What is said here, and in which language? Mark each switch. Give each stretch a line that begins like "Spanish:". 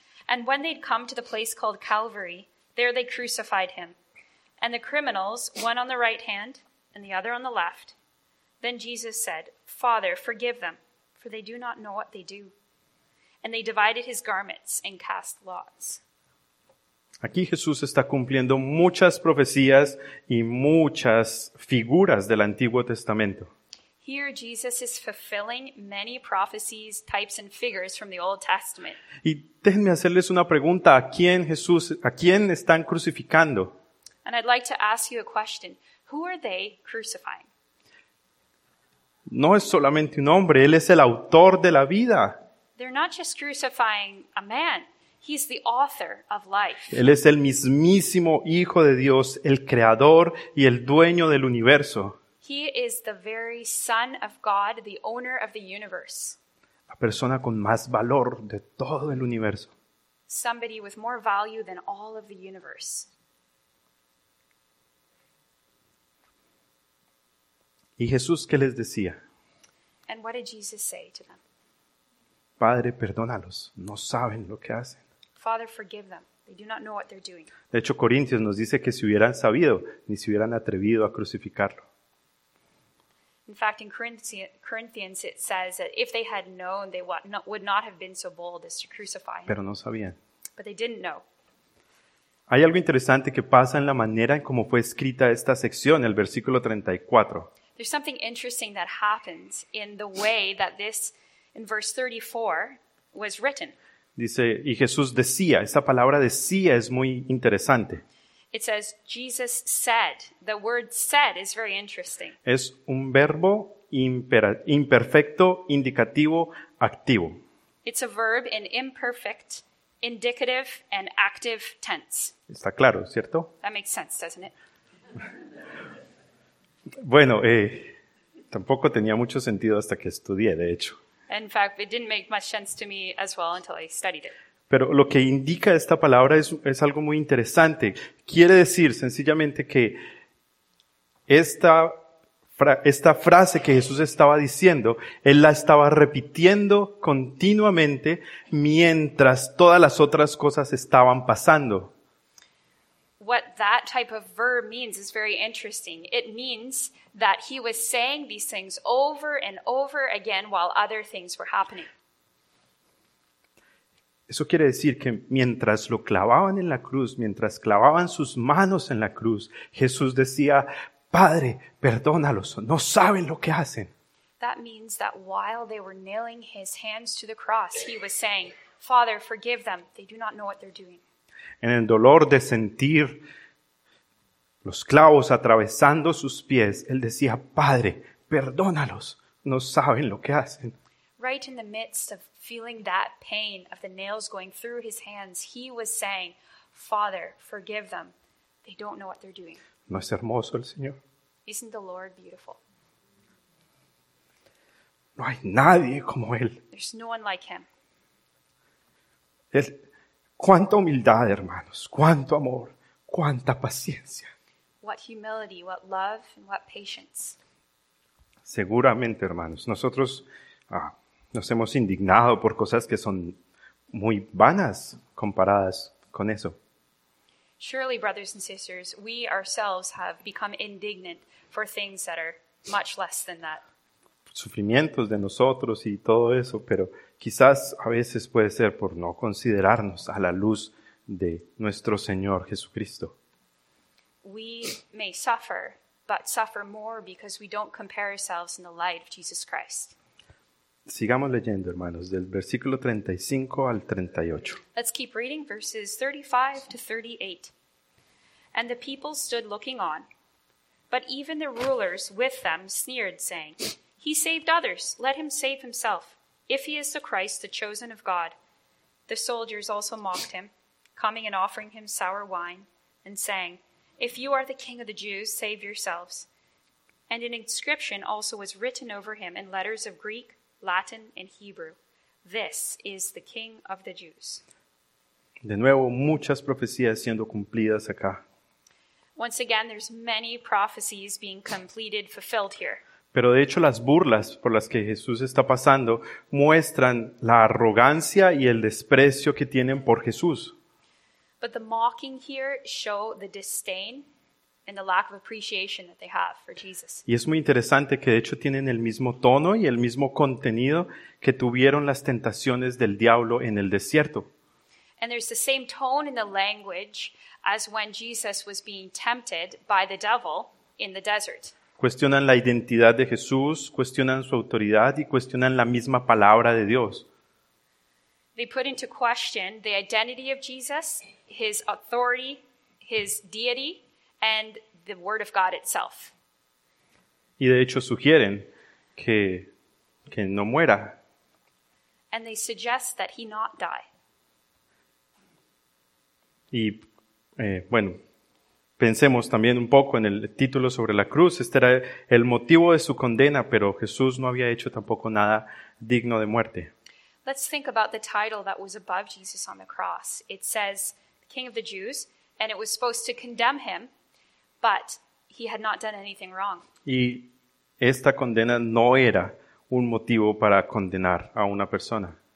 English: And when they'd come to the place called Calvary, there they crucified him. And the criminals, one on the right hand and the other on the left. Then Jesus said, Father, forgive them, for they do not know what they do. And they divided his garments and cast lots.
Spanish: Aquí Jesús está cumpliendo muchas profecías y muchas figuras del Antiguo Testamento.
English: Here Jesus is fulfilling many prophecies, types and figures from the Old Testament.
Spanish: Y déjenme hacerles una pregunta, ¿a quién están crucificando?
English: And I'd like to ask you a question. Who are they crucifying?
Spanish: No es solamente un hombre, él es el autor de la vida.
English: They're not just crucifying a man, he's the author of life.
Spanish: Él es el mismísimo Hijo de Dios, el creador y el dueño del universo.
English: He is the very Son of God, the owner of the universe.
Spanish: La persona con más valor de todo el universo.
English: Somebody with more value than all of the universe.
Spanish: ¿Y Jesús qué les decía?
English: And what did Jesus say to them?
Spanish: Padre, perdónalos, no saben lo que hacen.
English: Father, forgive them. They do not know what they're doing.
Spanish: De hecho, Corintios nos dice que si hubieran sabido, ni se hubieran atrevido a crucificarlo.
English: In fact, in Corinthians it says that if they had known, they would not have been so bold as to crucify him.
Spanish: Pero no sabían.
English: But they didn't know.
Spanish: Hay algo interesante que pasa en la manera en cómo fue escrita esta sección, el versículo 34.
English: There's something interesting that happens in the way that this, in verse 34, was written.
Spanish: Dice, y Jesús decía, esa palabra decía es muy interesante.
English: It says, Jesus said. The word said is very interesting.
Spanish: Es un verbo imperfecto, indicativo, activo.
English: It's a verb in imperfect, indicative, and active tense.
Spanish: Está claro, ¿cierto?
English: That makes sense, doesn't it?
Spanish: Bueno, tampoco tenía mucho sentido hasta que estudié, de hecho.
English: In fact, it didn't make much sense to me as well until I studied it.
Spanish: Pero lo que indica esta palabra es algo muy interesante. Quiere decir sencillamente que esta frase que Jesús estaba diciendo, Él la estaba repitiendo continuamente mientras todas las otras cosas estaban pasando.
English: What that type of verb means is very interesting. It means that he was saying these things over and over again while other things were happening.
Spanish: Eso quiere decir que mientras lo clavaban en la cruz, mientras clavaban sus manos en la cruz, Jesús decía, Padre, perdónalos, no saben lo que hacen.
English: That means that while they were nailing his hands to the cross, he was saying, Father, forgive them, they do not know what they're doing.
Spanish: En el dolor de sentir los clavos atravesando sus pies, él decía, Padre, perdónalos, no saben lo que hacen.
English: Right in the midst of feeling that pain of the nails going through his hands, he was saying, Father, forgive them, they don't know what they're doing.
Spanish: ¿No es hermoso el Señor?
English: Isn't the Lord beautiful?
Spanish: No hay nadie como él.
English: There's no one like him.
Spanish: Él, cuánta humildad, hermanos. Cuánto amor. Cuánta paciencia.
English: What humility, what love, and what patience.
Spanish: Seguramente, hermanos, nosotros nos hemos indignado por cosas que son muy vanas comparadas con eso.
English: Surely, brothers and sisters, we ourselves have become indignant for things that are much less than that.
Spanish: Sufrimientos de nosotros y todo eso, pero quizás a veces puede ser por no considerarnos a la luz de nuestro Señor Jesucristo.
English: We may suffer, but suffer more because we don't compare ourselves in the light of Jesus Christ.
Spanish: Sigamos leyendo, hermanos, del versículo 35 al 38.
English: Let's keep reading verses 35 to 38. And the people stood looking on. But even the rulers with them sneered, saying, He saved others, let him save himself, if he is the Christ, the chosen of God. The soldiers also mocked him, coming and offering him sour wine, and saying, If you are the king of the Jews, save yourselves. And an inscription also was written over him in letters of Greek, Latin, and Hebrew. This is the king of the Jews.
Spanish: De nuevo, muchas profecías siendo cumplidas acá.
English: Once again, there's many prophecies being completed, fulfilled here.
Spanish: Pero de hecho las burlas por las que Jesús está pasando muestran la arrogancia y el desprecio que tienen por Jesús.
English: But the mocking here show the disdain and the lack of appreciation that they have for Jesus.
Spanish: Y es muy interesante que de hecho tienen el mismo tono y el mismo contenido que tuvieron las tentaciones del diablo en el desierto.
English: And there's the same tone in the language as when Jesus was being tempted by the devil in the desert.
Spanish: Cuestionan la identidad de Jesús, cuestionan su autoridad y cuestionan la misma palabra de Dios.
English: They put into question the identity of Jesus, his authority, his deity, and the word of God itself.
Spanish: Y de hecho sugieren que no muera.
English: And they suggest that he not die.
Spanish: Y bueno, pensemos también un poco en el título sobre la cruz. Este era el motivo de su condena, pero Jesús no había hecho tampoco nada digno de muerte.
English: Let's think about the title that was above Jesus on the cross. It says, King of the Jews, and it was supposed to condemn him, but he had not done anything wrong.
Spanish: Y esta condena no era un motivo para condenar a una persona.